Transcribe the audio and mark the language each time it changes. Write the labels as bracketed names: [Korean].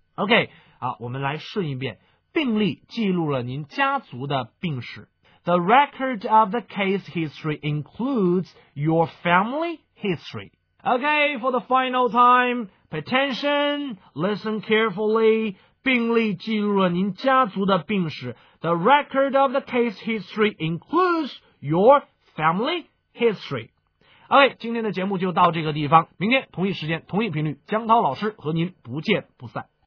[Chinese] OK 好，我们来顺一遍，病例记录了您家族的病史。 [English] The record of the case history includes your family history. Okay, for the final time, pay attention, listen carefully. [Chinese] 病例记录了您家族的病史。 [English] The record of the case history includes your family history. [Chinese] Okay, 今天的节目就到这个地方。明天同一时间，同一频率，江涛老师和您不见不散。